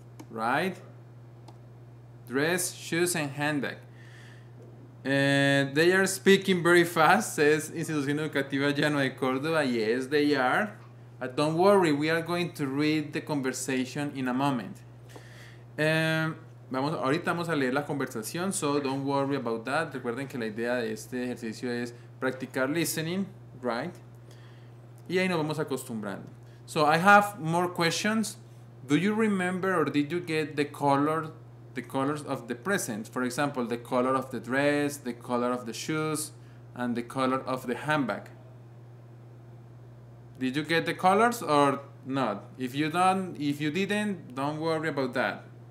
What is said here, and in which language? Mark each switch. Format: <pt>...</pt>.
<en>Right? Dress, shoes, and handbag. They are speaking very fast, says Institución Educativa Llano de Córdoba. Yes, they are. But don't worry, we are going to read the conversation in a moment.</en> <es>Ahorita vamos a leer la conversación,</es> <en>so don't worry about that.</en> <es>Recuerden que la idea de este ejercicio es practicar listening, right? Y ahí nos vamos acostumbrando.</es> <en>So I have more questions. Do you remember or did you get the colors of the present? For example, the color of the dress, the color of the shoes, and the color of the handbag. Did you get the colors or not? If you didn't, don't worry about that.</en>